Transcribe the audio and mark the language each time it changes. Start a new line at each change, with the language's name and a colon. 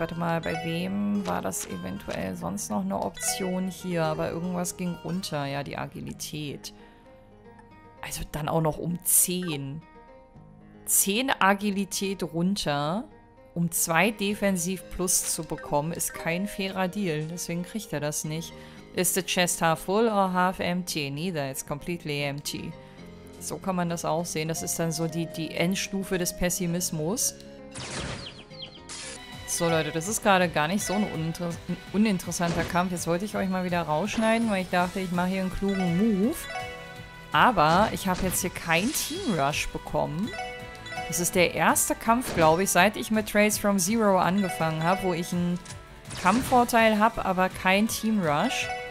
German: Warte mal, bei wem war das eventuell sonst noch eine Option hier? Aber irgendwas ging runter. Ja, die Agilität. Also dann auch noch um 10. 10 Agilität runter, um 2 Defensiv plus zu bekommen, ist kein fairer Deal. Deswegen kriegt er das nicht.
English: Is the chest half full or half empty? Neither, it's completely empty.
German: So kann man das auch sehen. Das ist dann so die Endstufe des Pessimismus. So Leute, das ist gerade gar nicht so ein uninteressanter Kampf. Jetzt wollte ich euch mal wieder rausschneiden, weil ich dachte, ich mache hier einen klugen Move. Aber ich habe jetzt hier keinen Team Rush bekommen. Das ist der erste Kampf, glaube ich, seit ich mit Trails from Zero angefangen habe, wo ich einen Kampfvorteil habe, aber keinen Team Rush.